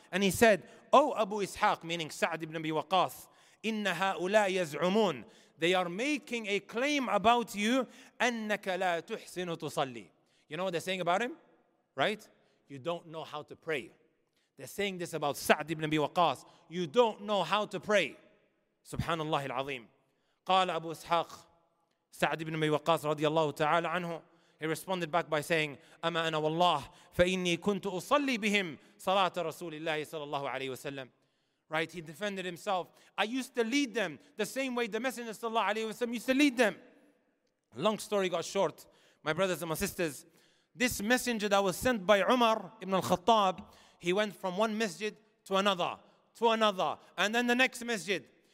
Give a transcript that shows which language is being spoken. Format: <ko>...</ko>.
<en>And he said, Oh Abu Ishaq, meaning Sa'd ibn Abi Waqas,</en> <ar>إِنَّ هَؤُلَا يَزْعُمُونَ.</ar> <en>They are making a claim about you,</en> <ar>أَنَّكَ لَا تُحْسِنُ تُصَلِّي.</ar> <en>You know what they're saying about him? Right? You don't know how to pray. They're saying this about Sa'd ibn Abi Waqas. You don't know how to pray. Subhanallah al-Azim.</en> <ar>قال أبو إسحاق سعد بن أبي وقاص رضي الله تعالى عنه.</ar> <en>He responded back by saying,</en> <ar>أما أنا والله فإني كنت أصلي بهم صلاة رسول الله صلى الله عليه وسلم.</ar> <en>Right? He defended himself. I used to lead them the same way the Messenger صلى الله عليه وسلم used to lead them. Long story got short. My brothers and my sisters, this messenger that was sent by Umar ibn al-Khattab, he went from one masjid to another, and then the next masjid.</en>